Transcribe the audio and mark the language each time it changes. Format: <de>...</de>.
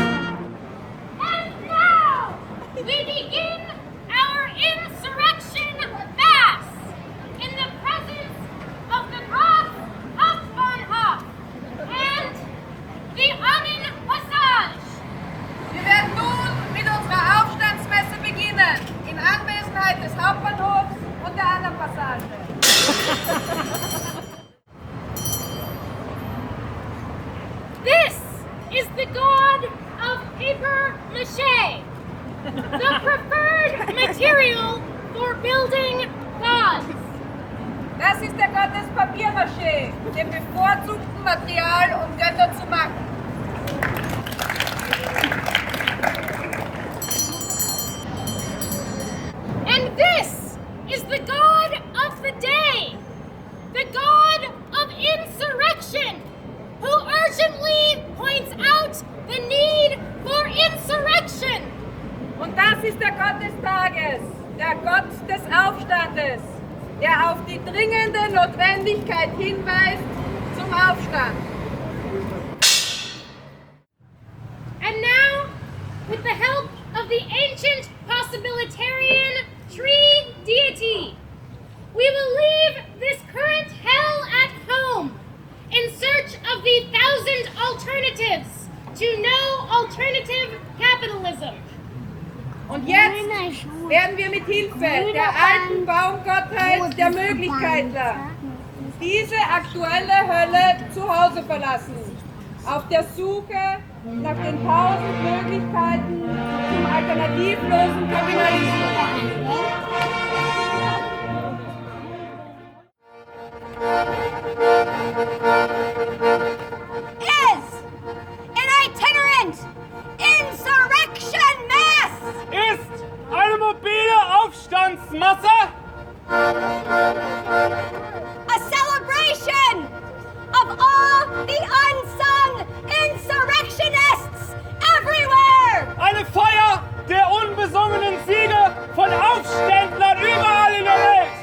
<en>And now we begin our insurrection mass in the presence of the Graf Hauptbahnhof and the Armin Passage.</en> <de>Wir werden nun mit unserer Aufstandsmesse beginnen, in Anwesenheit des Hauptbahnhofs und der anderen Passage.</de> <en>This is the god of paper mache, the preferred material for building gods.</en> <de>Das ist der Gott des Papiermache, dem bevorzugten Material, um Götter zu machen.</de> <en>And this is the god of the day, the god of insurrection, who urgently points out the need for insurrection.</en> <de>Und das ist der Gott des Tages, der Gott des Aufstandes, der auf die dringende Notwendigkeit hinweist zum Aufstand.</de> <en>And now, with the help of the ancient possibilitarian tree deity, we will leave this current hell at home in search of the thousand alternatives to no alternative capitalism.</en> <de>Und jetzt werden wir mit Hilfe der alten Baumgottheit der Möglichkeiten diese aktuelle Hölle zu Hause verlassen, auf der Suche nach den tausend Möglichkeiten zum alternativlosen Kapitalismus.</de> <en>Is an itinerant insurrection mass.</en> <de>Ist eine mobile Aufstandsmasse.</de> <en>A celebration of all the unsung insurrectionists everywhere.</en> <de>Eine Feier der unbesungenen Sieger von Aufständlern überall in der Welt.</de>